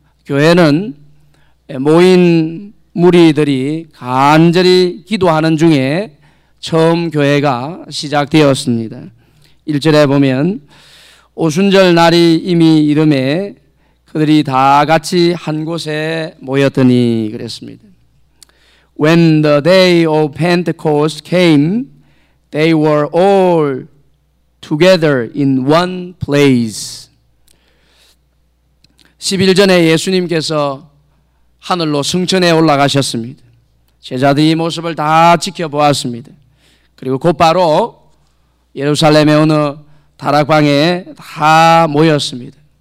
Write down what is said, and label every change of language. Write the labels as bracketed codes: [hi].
[ko] 교회는 모인 무리들이 간절히 기도하는 중에 처음 교회가 시작되었습니다. 1절에 보면 오순절 날이 이미 이르매 그들이 다 같이 한 곳에 모였더니 그랬습니다. [en] When the day of Pentecost came, they were all together in one place. [ko] 10일 전에 예수님께서 하늘로 승천에 올라가셨습니다. 제자들이 모습을 다 지켜보았습니다. 그리고 곧바로 예루살렘의 어느 다락방에 다 모였습니다.